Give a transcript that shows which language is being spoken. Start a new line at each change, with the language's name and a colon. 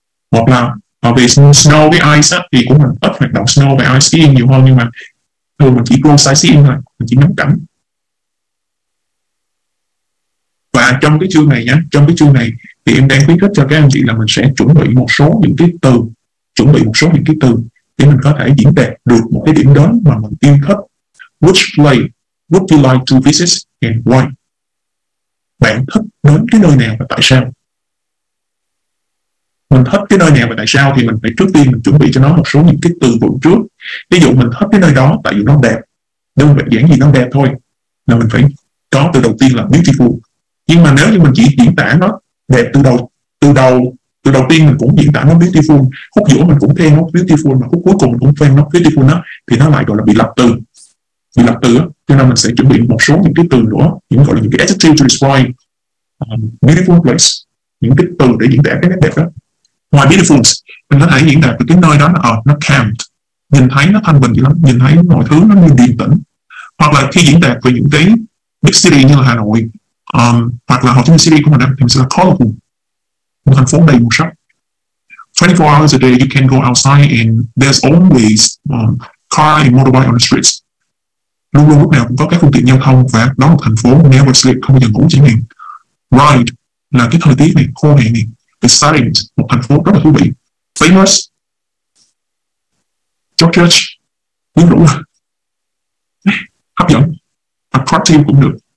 Vietnamese: Hoặc là về snow với ice á, thì cũng mình ít hoạt động snow và ice skiing nhiều hơn, nhưng mà thường mình chỉ go sightseeing thôi, mình chỉ ngắm cảnh. Và trong cái chương này nhá, trong cái chương này thì em đang khuyến khích cho các anh chị là mình sẽ chuẩn bị một số những cái từ, chuẩn bị một số những cái từ để mình có thể diễn đạt được một cái điểm đến mà mình yêu thích.
English: Which place would you like to visit and why?
Vietnamese: Bạn thích đến cái nơi nào và tại sao? Mình thích cái nơi nào và tại sao thì mình phải trước tiên mình chuẩn bị cho nó một số những cái từ vựng trước. Ví dụ mình thích cái nơi đó tại vì nó đẹp. Đơn giản gì nó đẹp thôi. Là mình phải có từ đầu tiên là beautiful. Nhưng mà nếu như mình chỉ diễn tả nó đẹp từ đầu tiên mình cũng diễn tả nó beautiful, khúc giữa mình cũng thêm nó beautiful, mà khúc cuối cùng mình cũng thêm nó beautiful đó, thì nó lại gọi là bị lặp từ. Cho nên mình sẽ chuẩn bị một số những cái từ nữa, những gọi là những cái
English: adjective to describe beautiful place,
Vietnamese: những cái từ để diễn tả cái nét đẹp đó. Ngoài beautiful, mình có thể diễn tả từ cái nơi đó là nó calmed, nhìn thấy nó thanh bình dữ lắm, nhìn thấy mọi thứ nó như điềm tĩnh. Hoặc là khi diễn tả về những cái big city như là Hà Nội, hoặc là Hồ Chí Minh City của mình thì mình sẽ là colorful, một thành phố đầy màu sắc.
English: 24 hours a day you can go outside and there's always car and motorbike on the streets.
Vietnamese: Luôn luôn lúc nào cũng có các phương tiện giao thông và đó là thành phố never sleep, không bao giờ ngủ chẳng hạn. Ride là cái thời tiết này, khô hè này. The sightings, một thành phố rất là thú vị. Famous, George, quyến rũ, hấp dẫn, attractive cũng được.